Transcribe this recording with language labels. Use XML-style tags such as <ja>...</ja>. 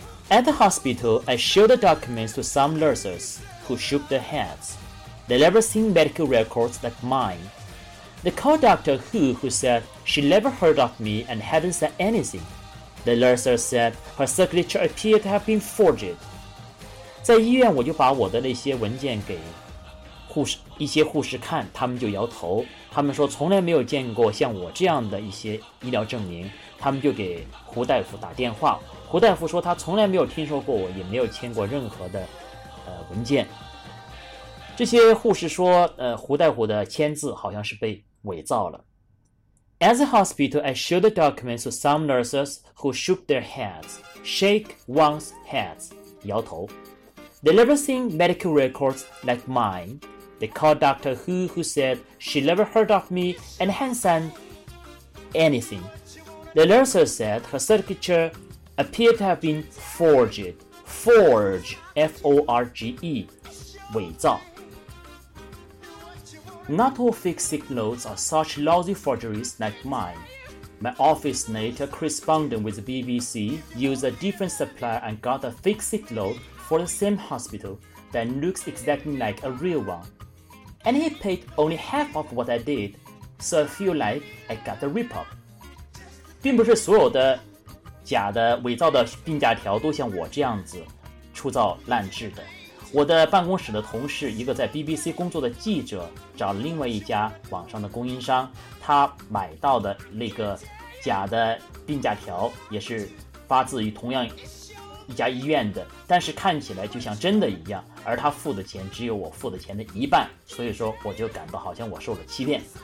<en>At the hospital, I showed the documents to some nurses who shook their heads. They never seen medical records like mine. They called Doctor who said she never heard of me and hadn't said anything. The nurse said her signature appeared to have been forged.</en> <zh>在医院我就把我的那些文件给一些护士看，他们就摇头，他们说从来没有见过像我这样的一些医疗证明。他们就给胡大夫打电话，胡大夫说他从来没有听说过我，也没有签过任何的文件。这些护士说胡大夫的签字好像是被伪造了。</zh> <en>As a hospital, I showed the documents to some nurses who shook their heads, shake one's heads,</en> <zh>摇头。</zh> <en>They never seen medical records like mine. They called Dr. who said she never heard of me and hadn't said anything. The nurse said her signature appeared to have been forged. Forge, F-O-R-G-E,</en> <zh>伪造。</zh> <en>Not all fake sick notes are such lousy forgeries like mine. My office mate, a correspondent with the BBC, used a different supplier and got a fake sick note for the same hospital that looks exactly like a real one. And he paid only half of what I did, so I feel like I got a rip-off.</en> <zh>并不是所有的假的、伪造的病假条都像我这样子粗糙烂制的。我的办公室的同事，一个在 BBC 工作的记者，找了另外一家网上的供应商，他买到的那个假的病假条也是发自于同样一家医院的，但是看起来就像真的一样，而他付的钱只有我付的钱的一半，所以说我就感到好像我受了欺骗。</zh>